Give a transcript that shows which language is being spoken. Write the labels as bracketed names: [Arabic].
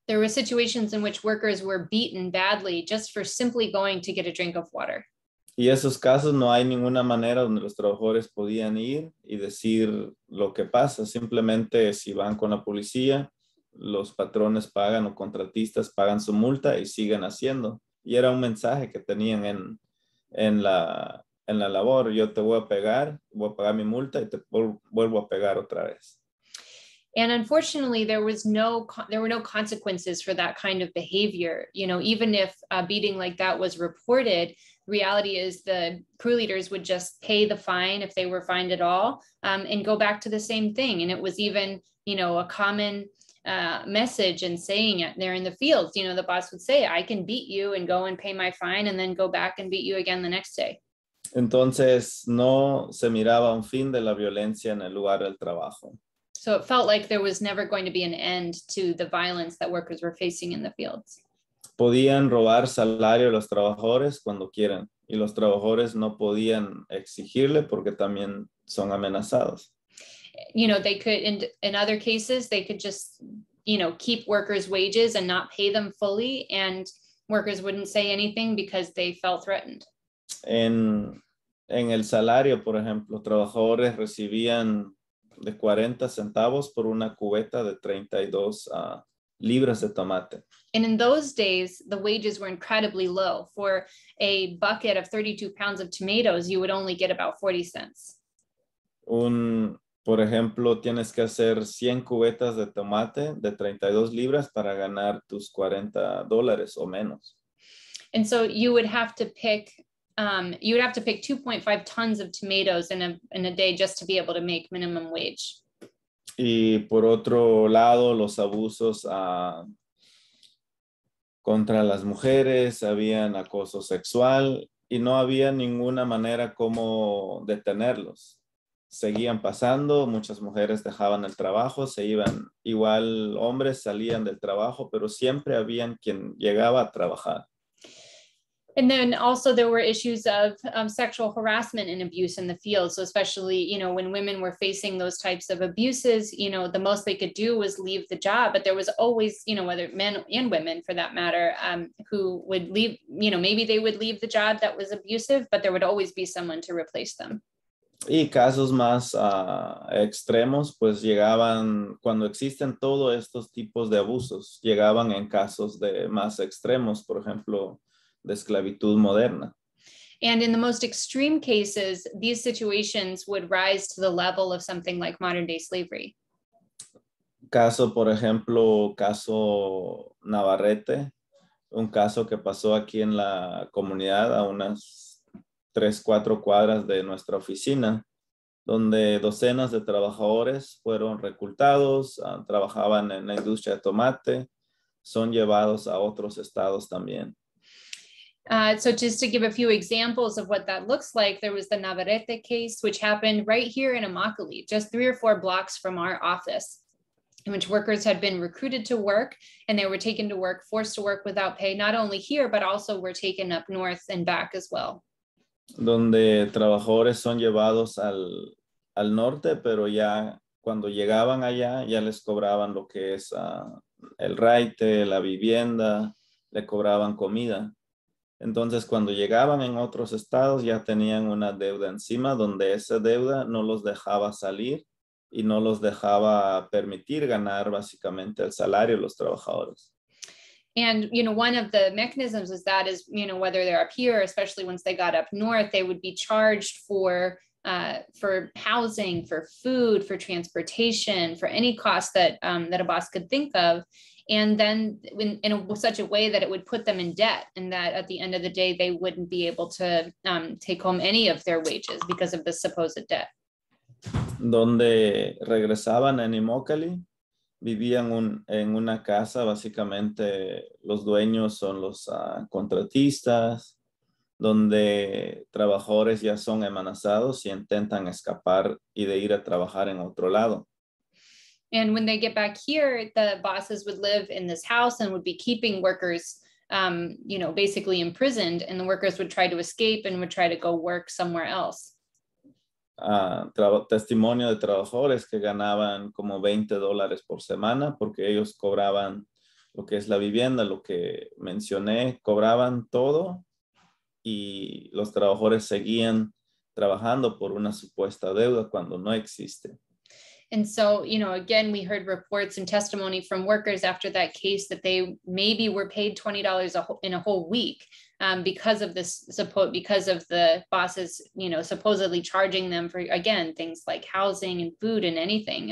[English] There were situations in which workers were beaten badly just for simply going to get a drink of water. [Spanish] Y esos casos no hay ninguna manera donde los trabajadores podían ir y decir lo que pasa. Simplemente si van con la policía, los patrones pagan o contratistas pagan su multa y siguen haciendo. Y era un mensaje que tenían en la labor. Yo te voy a pegar, voy a pagar mi multa y te vuelvo a pegar otra vez. [English] And unfortunately, there were no consequences for that kind of behavior. You know, even if a beating like that was reported, reality is the crew leaders would just pay the fine if they were fined at all and go back to the same thing. And it was even, you know, a common message and saying it there in the fields. You know, the boss would say, I can beat you and go and pay my fine and then go back and beat you again the next day. [Spanish] Entonces, no se miraba un fin de la violencia en el lugar del trabajo. [English] So it felt like there was never going to be an end to the violence that workers were facing in the fields. [Spanish] Podían robar salario a los trabajadores cuando quieran, y los trabajadores no podían exigirle porque también son amenazados. [English] You know, they could, in other cases, they could just, you know, keep workers' wages and not pay them fully, and workers wouldn't say anything because they felt threatened. [Spanish] En el salario, por ejemplo, trabajadores recibían de 40 centavos por una cubeta de 32 libras de tomate. [English] And in those days, the wages were incredibly low. For a bucket of 32 pounds of tomatoes, you would only get about 40 cents. [Spanish] Por ejemplo, tienes que hacer 100 cubetas de tomate de 32 libras para ganar tus $40 o menos. [English] And so you would have to pick... you would have to pick 2.5 tons of tomatoes in a day just to be able to make minimum wage. [Spanish] Y por otro lado, los abusos contra las mujeres, habían acoso sexual y no había ninguna manera como detenerlos. Seguían pasando, muchas mujeres dejaban el trabajo, se iban, igual hombres salían del trabajo, pero siempre habían quien llegaba a trabajar. [English] And then also there were issues of sexual harassment and abuse in the field. So especially, you know, when women were facing those types of abuses, you know, the most they could do was leave the job. But there was always, you know, whether men and women for that matter, who would leave, you know, maybe they would leave the job that was abusive, but there would always be someone to replace them. [Spanish] Y casos más extremos, pues llegaban, cuando existen todos estos tipos de abusos, llegaban en casos de más extremos, por ejemplo, de esclavitud moderna. [English] And in the most extreme cases, these situations would rise to the level of something like modern day slavery. [Spanish] Caso, por ejemplo, caso Navarrete, un caso que pasó aquí en la comunidad a unas 3-4 cuadras de nuestra oficina, donde docenas de trabajadores fueron reclutados, trabajaban en la industria de tomate, son llevados a otros estados también. [English] So just to give a few examples of what that looks like, there was the Navarrete case, which happened right here in Immokalee, just 3 or 4 blocks from our office, in which workers had been recruited to work, and they were taken to work, forced to work without pay, not only here, but also were taken up north and back as well. [Spanish] Donde trabajadores son llevados al norte, pero ya cuando llegaban allá, ya les cobraban lo que es el raite, la vivienda, le cobraban comida. Entonces, cuando llegaban en otros estados, ya tenían una deuda encima, donde esa deuda no los dejaba salir y no los dejaba permitir ganar básicamente el salario de los trabajadores. [English] And, you know, one of the mechanisms is that is, you know, whether they're up here, especially once they got up north, they would be charged for housing, for food, for transportation, for any cost that that a boss could think of. And then in such a way that it would put them in debt, and that at the end of the day, they wouldn't be able to take home any of their wages because of the supposed debt. [Spanish] Donde regresaban en Immokalee, vivían en una casa, básicamente los dueños son los contratistas, donde trabajadores ya son amenazados y intentan escapar y de ir a trabajar en otro lado. [English] And when they get back here, the bosses would live in this house and would be keeping workers, you know, basically imprisoned, and the workers would try to escape and would try to go work somewhere else. [Spanish] Testimonio de trabajadores que ganaban como $20 por semana porque ellos cobraban lo que es la vivienda, lo que mencioné, cobraban todo y los trabajadores seguían trabajando por una supuesta deuda cuando no existe. [English] And so, you know, again, we heard reports and testimony from workers after that case that they maybe were paid $20 in a whole week because of the bosses, you know, supposedly charging them for, again, things like housing and food and anything.